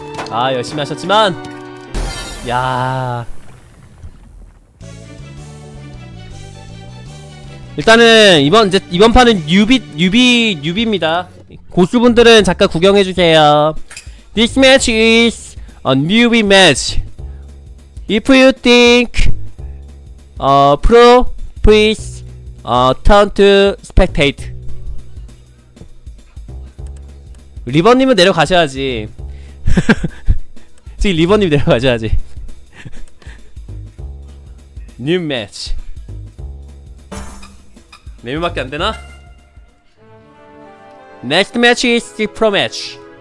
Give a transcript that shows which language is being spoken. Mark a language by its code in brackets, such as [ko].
[ko] 아, 열심히 하셨지만, 야. 일단은, 이번 판은 뉴비입니다. 고수분들은 잠깐 구경해주세요. [en] This match is a newbie match. If you think pro, please turn to spectate. [ko] 리버님은 내려가셔야지. 지금 리버님 내려가셔야지. [en] New match. [ko] 네 명밖에 안 되나? [en] Next match is the pro match.